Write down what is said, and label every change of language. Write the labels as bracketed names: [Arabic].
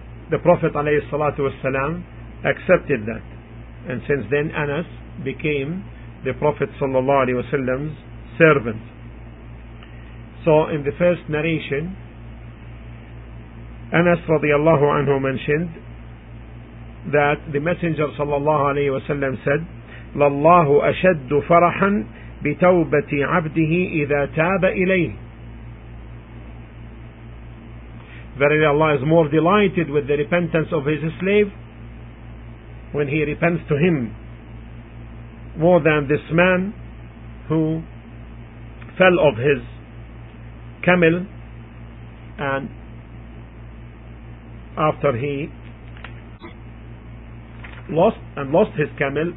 [English] The Prophet عليه الصلاة والسلام accepted that, and since then Anas became the Prophet صلى الله عليه وسلم's servant. So in the first narration, Anas رضي الله عنه mentioned that the Messenger صلى الله عليه وسلم said, [Arabic] لله أشد فرحا بتوبة عبده إذا تاب إليه. [English] Verily Allah is more delighted with the repentance of his slave when he repents to him, more than this man who fell off his camel and after he lost his camel.